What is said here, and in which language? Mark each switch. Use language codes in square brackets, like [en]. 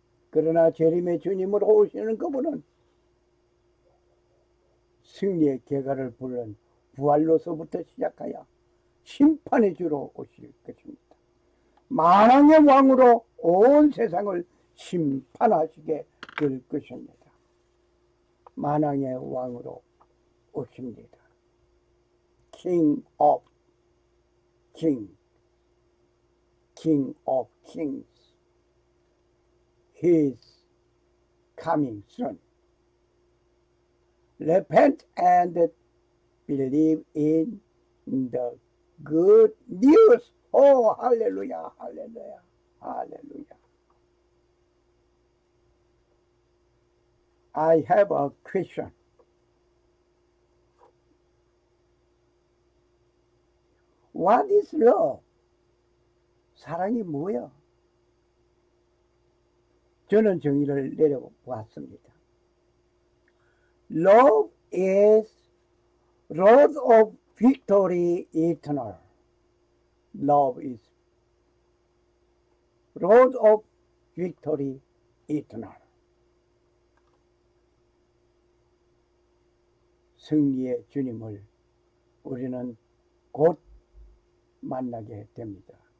[ko] 그러나 재림의 주님으로 오시는 그분은 승리의 계가를 부른 부활로서부터 시작하여 심판의 주로 오실 것입니다. 만왕의 왕으로 온 세상을 심판하시게 될 것입니다. 만왕의 왕으로 오십니다. [en] King of King, King of Kings. He is coming soon. Repent and believe in the good news. Oh, hallelujah, hallelujah, hallelujah. I have a question. What is love? [ko] 사랑이 뭐야? 저는 정의를 내려보았습니다. [en] Love is road of victory eternal. Love is road of victory eternal. [ko] 승리의 주님을 우리는 곧 만나게 됩니다.